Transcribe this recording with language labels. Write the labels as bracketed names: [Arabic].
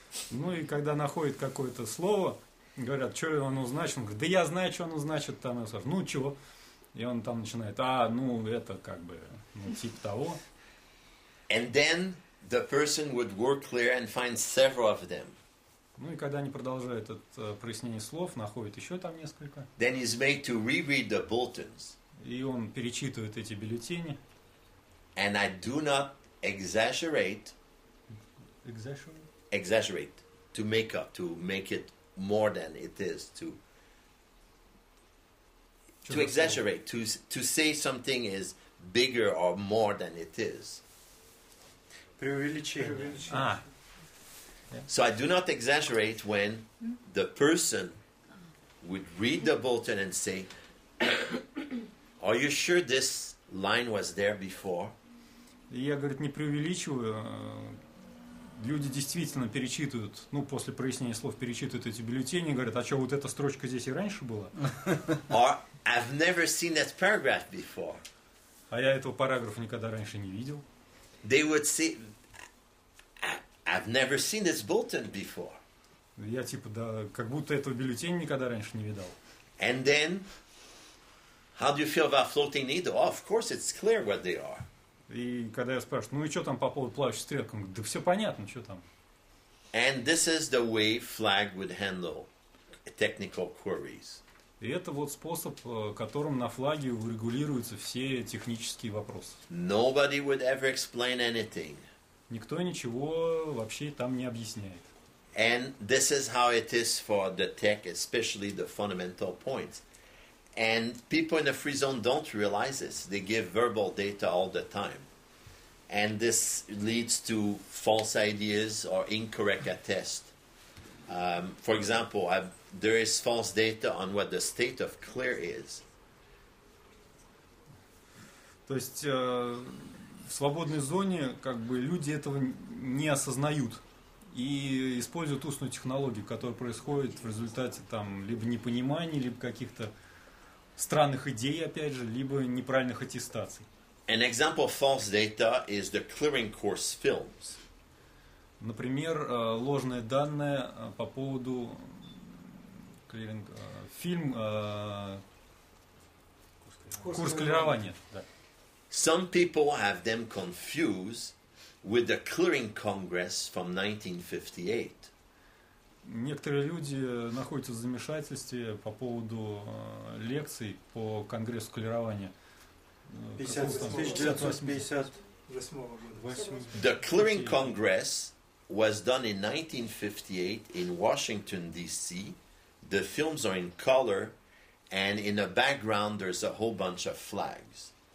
[Russian] Ну и когда находит какое-то слово, говорят, что оно значит, он говорит, да я знаю, что оно значит, там я скажу, ну чего? И он там начинает, а, ну это как бы, ну типа того. [English] And then the person would work clear and find several of them. [Russian] Ну и когда они продолжают это прояснение слов, находят еще там несколько. [English] Then he's made to reread the bulletins. [Russian] И он перечитывает эти бюллетени. [English] And I do not exaggerate. Exaggerate. To make it more than it is. To exaggerate. To say something is bigger or more than it is. [Russian] Преувеличение. [English] So I do not exaggerate when the person would read the bulletin and say, "Are you sure this line was there before?" [Russian] И я, говорит, не преувеличиваю. Люди действительно перечитывают, ну, после прояснения слов перечитывают эти бюллетени и говорят, а что, вот эта строчка здесь и раньше была? [English] Or, I've never seen that paragraph before. [Russian] А я этого параграфа никогда раньше не видел. [English] They would say, I've never seen this bulletin before. [Russian] Я типа, да, как будто этого бюллетеня никогда раньше не видал. [English] And then, how do you feel about floating needle? Oh, of course, it's clear what they are. [Russian] И когда я спрашиваю, ну и что там по поводу плавающей стрелки? Он говорит, да все понятно, что там. [English] And this is the way FLAG would handle technical queries. [Russian] И это вот способ, которым на флаге урегулируются все технические вопросы. [English] Nobody would ever explain anything. [Russian] Никто ничего вообще там не объясняет. [English] And this is how it is for the tech, especially the fundamental points. And people in the free zone don't realize this. They give verbal data all the time. And this leads to false ideas or incorrect attests. For example, there is false data on what the state of clear is. [Russian] То есть в свободной зоне как бы люди этого не осознают. И используют устную технологию, которая происходит в результате там либо непонимания, либо каких-то странных идей, опять же, либо неправильных аттестаций. [English] An example of false data is the clearing course films. [Russian] Например, ложные данные по поводу clearing, фильм, курс клирования. [English] Some people have them confused with the clearing congress from 1958. [Russian] Некоторые люди находятся в замешательстве по поводу лекций по конгрессу клирования 1958 года. [English] The Clearing Congress was done in 1958 in Washington, D.C. The films are in color And in the background, there's a whole bunch of flags.